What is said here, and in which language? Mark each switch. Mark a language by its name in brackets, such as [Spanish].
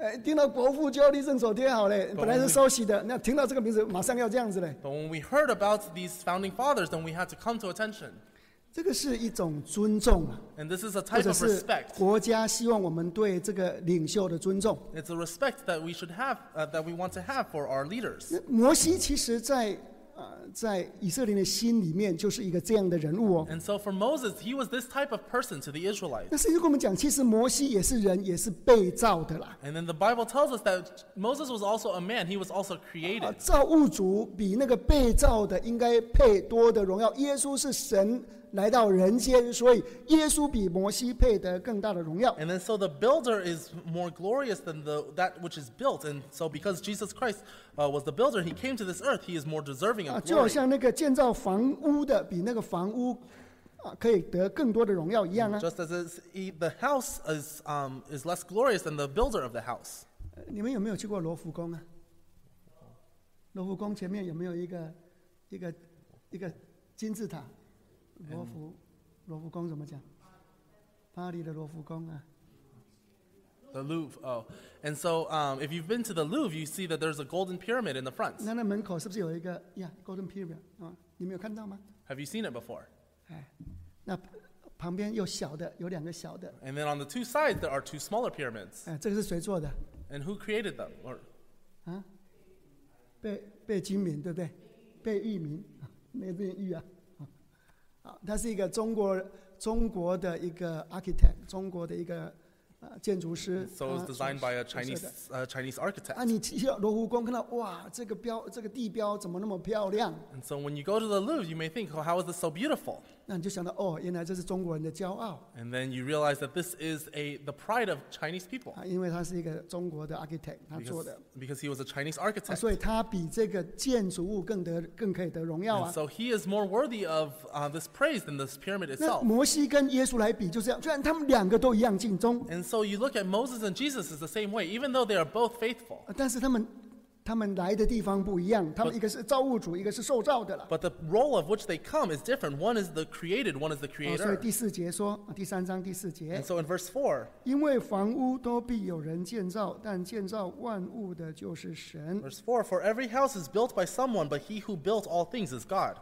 [Chinese] 听到国父就要立正手贴好嘞，本来是稍息的，那听到这个名字马上要这样子嘞。 [English] But when we heard about these founding fathers, then we had to come to attention. [Chinese] 这个是一种尊重嘛。 [English] And this is a type of respect. [Chinese] 国家希望我们对这个领袖的尊重。 [English] It's a respect that we should have, that we want to have for our leaders. [Chinese] 摩西其实在以色列的心里面就是一个这样的人物哦。 [English] And so for Moses, he was this type of person to the Israelites. [Chinese] 那圣经跟我们讲，其实摩西也是人，也是被造的啦。 [English] And then the Bible tells us that Moses was also a man; he was also created. [Chinese] 造物主比那个被造的应该配多的荣耀。耶稣是神。来到人间，所以耶稣比摩西配得更大的荣耀。 [English] And then, so the builder is more glorious than that which is built. And so, because Jesus Christ was the builder, he came to this earth. He is more deserving of glory. [Chinese] 就好像那个建造房屋的比那个房屋可以得更多的荣耀一样啊。 [English] Just as the house is less glorious than the builder of the house. [Chinese] 你们有没有去过罗浮宫啊？罗浮宫前面有没有一个一个金字塔，罗浮宫怎么讲？巴黎的罗浮宫啊。 [English] The Louvre. Oh, and so if you've been to the Louvre, you see that there's a golden pyramid in the front. [Chinese] 那门口是不是有一个 ？ [English] Yeah, golden pyramid. [Chinese] 啊，你没有看到吗 [English] ？Have you seen it before? [Chinese] 哎，那旁边有小的，有两个小的。 [English] And then on the two sides, there are two smaller pyramids. [Chinese] 哎，这个是谁做的 [English] ？And who created them? Or [Chinese] 啊，贝聿铭对不对？贝聿铭，那个念玉啊。啊，他是一个中国的一个 architect， 中国的一个。建筑师 [English] ，so it's designed by a Chinese architect. [Chinese] 啊，你去罗浮宫看到，哇，这个标，这个地标怎么那么漂亮 [English] ？And so when you go to the Louvre, you may think,、oh, how is it so beautiful? [Chinese] 那你就想到，哦，原来这是中国人的骄傲。 [English] And then you realize that this is the pride of Chinese people. [Chinese] 啊，因为他是一个中国的 architect， 他做的。 [English] Because he was a Chinese architect.、 [Chinese] 啊、所以他比这个建筑物更可以得荣耀啊。 [English] And so he is more worthy of this praise than this pyramid itself. [Chinese] 那摩西跟耶稣来比就是这样，虽然他们两个都一样敬忠。 [English] And so you look at Moses and Jesus is the same way, even though they are both faithful. [Chinese] 但是他们来的地方不一样，他们一个是造物主，一个是受造的了。 [English] But the role of which they come is different. One is the created, one is the creator. [Chinese] 所以第四节说，第三章第四节。 [English] And so in verse 4, [Chinese] 因为房屋都必有人建造，但建造万物的就是神。 [English] Verse 4, for every house is built by someone, but he who built all things is God.